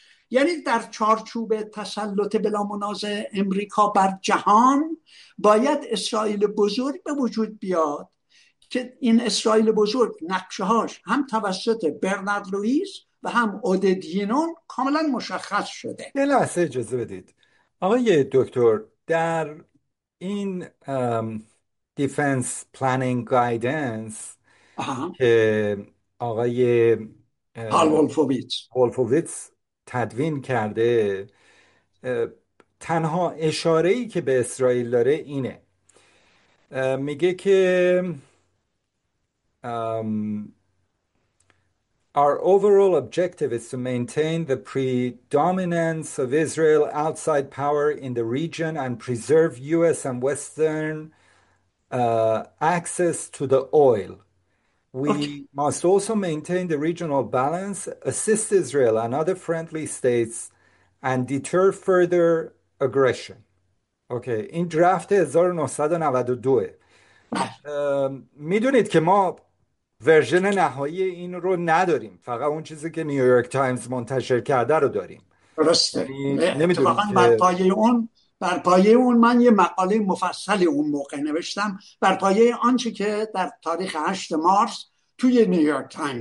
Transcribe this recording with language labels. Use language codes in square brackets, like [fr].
[fa] یعنی در چارچوب تسلط بلا منازع امریکا بر جهان باید اسرائیل بزرگ به وجود بیاد، که این اسرائیل بزرگ نقشه هاش هم توسط برنارد لوئیس و هم اودت یینون کاملا مشخص شده. یه لحظه اجازه بدید آقای دکتر، در این دیفنس پلانینگ گایدنس که آقای هال ولفوویتس ولفوویتس تدوین کرده، تنها اشاره ای که به اسرائیل داره اینه، میگه که [en] Our overall objective is to maintain the predominance of Israel outside power in the region and preserve US and Western access to the oil. We must also maintain the regional balance, assist Israel and other friendly states, and deter further aggression. [fa] Okay, این درفت 1992. میدونید که ما ورژن نهایی این رو نداریم، فقط اون چیزی که نیویورک تایمز منتشر کرده رو داریم. درسته، یعنی نمیدونیم اتفاقا که بر پایه اون من یه مقاله مفصلی اون موقع نوشتم بر پایه آنچه که در تاریخ 8 مارس توی نیویورک تایمز